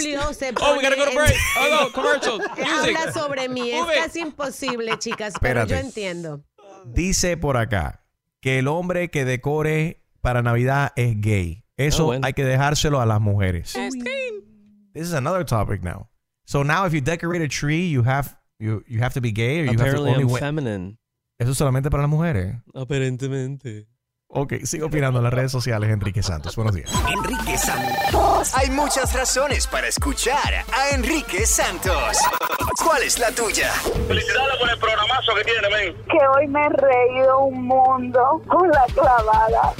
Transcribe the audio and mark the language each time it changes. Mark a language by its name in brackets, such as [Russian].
[Spanish] Julio se pone... [English] Oh, we gotta go to break. Oh, no, commercials. [Spanish] Habla sobre mí. Es casi imposible, chicas, Espérate. Pero yo entiendo. Dice por acá que el hombre que decore para Navidad es gay. Eso oh, bueno. hay que dejárselo a las mujeres. [English] This is another topic now. So now if you decorate a tree, you have to be gay or you Apparently have to only I'm feminine. [Spanish] Eso es solamente para las mujeres. Aparentemente. Okay, sigo opinando en las redes sociales, Enrique Santos. Buenos días. Enrique Santos. Hay muchas razones para escuchar a Enrique Santos. ¿Cuál es la tuya? Felicidades por el programazo que tiene, men. Que hoy me he reído un mundo con la clavada.